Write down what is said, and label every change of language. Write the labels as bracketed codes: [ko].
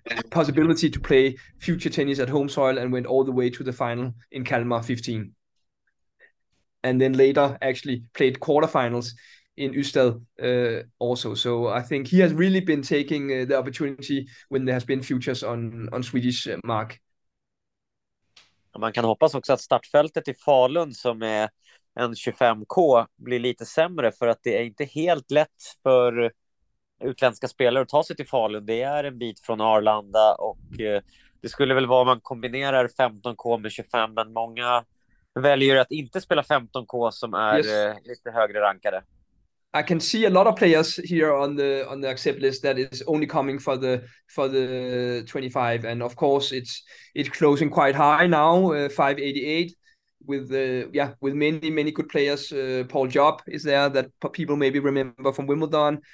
[en] possibility to play future tennis at home soil and went all the way to the final in Kalmar 15, and then later actually played quarterfinals in Ystad also. So I think he has really been taking the opportunity when there has been futures on Swedish mark. [sv] Man kan hoppas också att startfältet i Falun som är en 25K blir lite sämre för att det är inte helt lätt för utländska spelare att ta sig till Falun. Det är en bit från Arlanda och det skulle väl vara om man kombinerar 15K med 25, men många väljer att inte spela 15K som [en] Yes. [sv] är lite högre rankade. [en] I can see a lot of players here on the accept list that is only coming for the 25, and of course it's closing quite high now, 588, with with many good players. Paul Jobb is there that people maybe remember from Wimbledon.